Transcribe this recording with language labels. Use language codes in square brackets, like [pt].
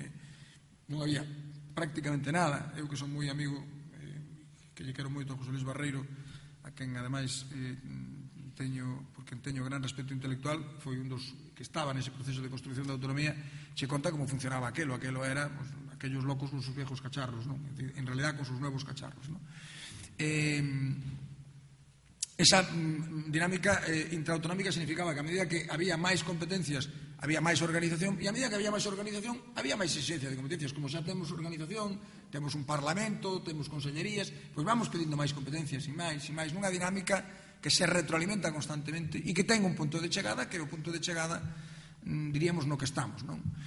[gl] E non había prácticamente nada. Eu que son moi amigo, que lle quero moito a José Luis Barreiro, a quen ademais teño, porque teño gran respeto intelectual, foi un dos que estaba nese proceso de construcción da autonomía, che conta como funcionaba aquilo. Aquilo era, [es] pues, aquellos locos con sus viejos cacharros, ¿no? En realidad con sus nuevos cacharros, ¿no? [gl] Esa dinámica intraautonómica significaba que a medida que había máis competencias, había máis organización, e a medida que había máis organización, había máis exigencia de competencias. Como xa temos organización, temos un parlamento, temos consellerías, pois vamos pedindo máis competencias e máis e máis, nunha dinámica que se retroalimenta constantemente e que ten un punto de chegada, que é o punto de chegada, diríamos, no que estamos, non?